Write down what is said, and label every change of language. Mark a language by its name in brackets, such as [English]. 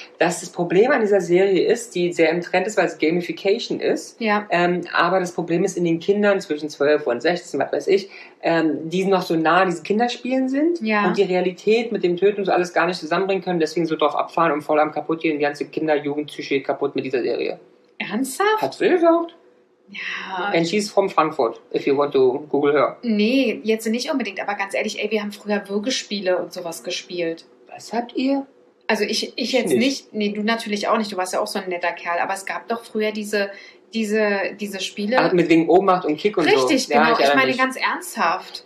[German] Dass das Problem an dieser Serie ist, die sehr im Trend ist, weil es Gamification ist. Ja. Aber das Problem ist in den Kindern zwischen 12 und 16, was weiß ich, die noch so nah an diesen Kinderspielen sind. Ja. Und die Realität mit dem Töten und so alles gar nicht zusammenbringen können. Deswegen so drauf abfahren und voll am kaputt gehen. Die ganze Kinder-Jugend-Psyche kaputt mit dieser Serie. Ernsthaft? Hat sie gesagt. Ja. [English] And she's from Frankfurt, if you want to Google her. [German] Nee, jetzt nicht unbedingt, aber ganz ehrlich, ey, wir haben früher Würgespiele und sowas gespielt. Was habt ihr? Also ich jetzt nicht. Nee, du natürlich auch nicht, du warst ja auch so ein netter Kerl, aber es gab doch früher diese Spiele. Also mit wegen Ohnmacht und Kick und richtig, so. Richtig, genau, ja, ich meine ganz ernsthaft.